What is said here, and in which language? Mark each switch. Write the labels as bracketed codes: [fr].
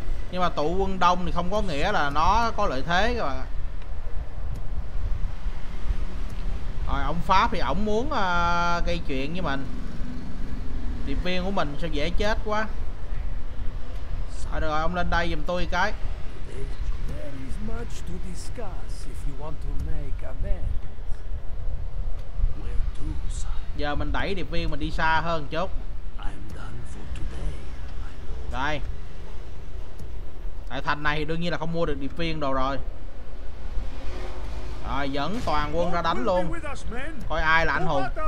[vi] Nhưng mà tụ quân đông thì không có nghĩa là nó có lợi thế các bạn ạ. Rồi, ông Pháp thì ổng muốn gây chuyện với mình. Điệp viên của mình sao dễ chết quá. À, được rồi, ông lên đây giùm tôi cái. [en] There is much to discuss if you want to make amends. Where to, son? [vi] Giờ mình đẩy điệp viên mình đi xa hơn chút. [en] I'm done for today. [vi] Đây. Tại thành này đương nhiên là không mua được điệp viên đồ rồi. Rồi dẫn toàn quân ra đánh luôn. Coi ai là anh hùng.